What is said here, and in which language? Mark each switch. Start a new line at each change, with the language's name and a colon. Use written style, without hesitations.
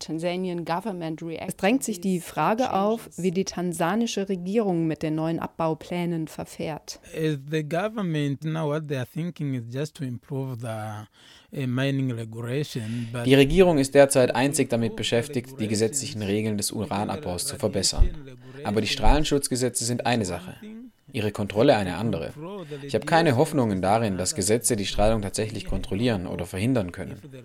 German: Es drängt sich die Frage auf, wie die tansanische Regierung mit den neuen Abbauplänen verfährt.
English: The government now what they are thinking is just to improve the mining regulation.
German: Die Regierung ist derzeit einzig damit beschäftigt, die gesetzlichen Regeln des Uranabbaus zu verbessern. Aber die Strahlenschutzgesetze sind eine Sache, ihre Kontrolle eine andere. Ich habe keine Hoffnungen darin, dass Gesetze die Strahlung tatsächlich kontrollieren oder verhindern können.